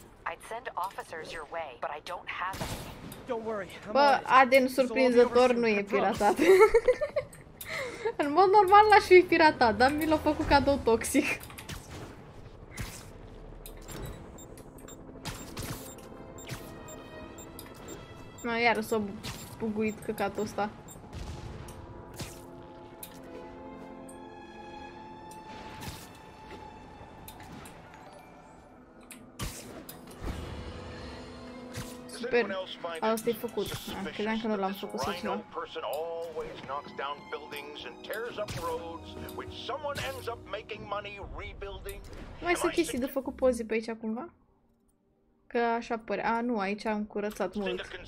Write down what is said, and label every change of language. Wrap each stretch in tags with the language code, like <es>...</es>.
<en>I'd send officers your way, but I don't have any. Don't worry.</en> <ro>Bă, Aden surprinzător nu e piratat. În mod normal l-aș fi piratat, dar mi l-a făcut cadou toxic. Mă, iar s-a buguit căcatul ăsta. Super. Asta e făcut. Credeam că nu l-am făcut să ceva.</ro> <en>Always knocks down buildings and tears up roads, which someone ends up making money rebuilding.</en> <ro>Mai sunt chestii de făcut poze pe aici cumva? Că așa pare. A, nu, aici am curățat mult.</ro>